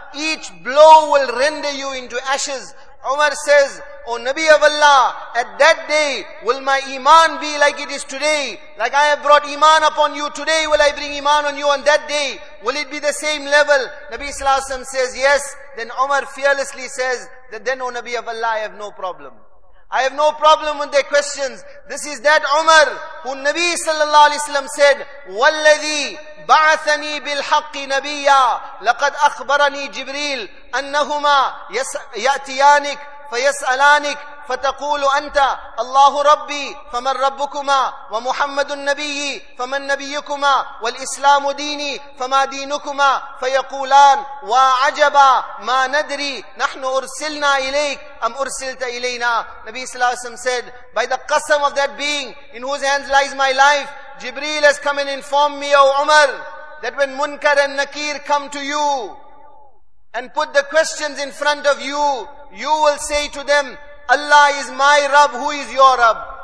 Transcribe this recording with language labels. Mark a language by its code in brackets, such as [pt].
[en] Each blow will render you into ashes. Umar says, O Nabi of Allah, at that day, will my iman be like it is today? Like I have brought iman upon you today, will I bring iman on you on that day? Will it be the same level? Nabi sallallahu alayhi wa sallam says, yes. Then Umar fearlessly says, that then, O Nabi of Allah, I have no problem. I have no problem with their questions. This is that Umar who Nabi sallallahu alayhi wa sallam said, [ar] وَالَّذِي بَعَثَنِي بِالْحَقِّ نَبِيًّا لَقَدْ أَخْبَرَنِي جِبْرِيلُ أَنَّهُمَا يَأْتِيَانِكَ فَيَسْأَلَانِكَ فَتَقُولُ أَنْتَ اللَّهُ رَبِّي فَمَنْ رَبُّكُمَا وَمُحَمَّدُ النَّبِيِّ فَمَنْ نَبِيُّكُمَا وَالْإِسْلَامُ دِينِي فَمَا دِينُكُمَا فَيَقُولَانَ وَعَجَبَا مَا نَدْرِي نَحْنُ أُرْسِلْنَا إِلَيْكَ أَمْ أُرْسِلْتَ إِلَيْنَا. [en] Nabi sallallahu alayhi wa sallam said, by the qasam of that being in whose hands lies my life, Jibreel has come and informed me, O Umar, that when Munkar and Nakir come to you and put the questions in front of you, you will say to them, Allah is my Rabb, who is your Rabb?